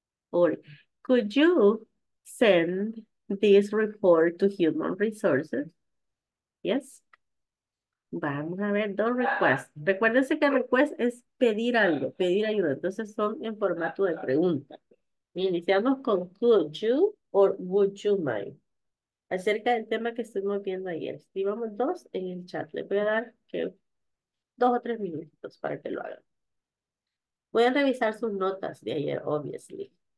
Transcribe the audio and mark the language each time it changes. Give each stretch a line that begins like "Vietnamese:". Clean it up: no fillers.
English: Or could you send this report to human resources? Yes.
Spanish: Vamos a ver dos requests. Recuérdense que request es pedir algo, pedir ayuda. Entonces son en formato de pregunta. Iniciamos con
English: could you or would you mind.
Spanish: Acerca del tema que estuvimos viendo ayer. Escribamos dos en el chat. Les voy a dar que dos o tres minutitos para que lo hagan. Voy a revisar sus notas de ayer, obviously.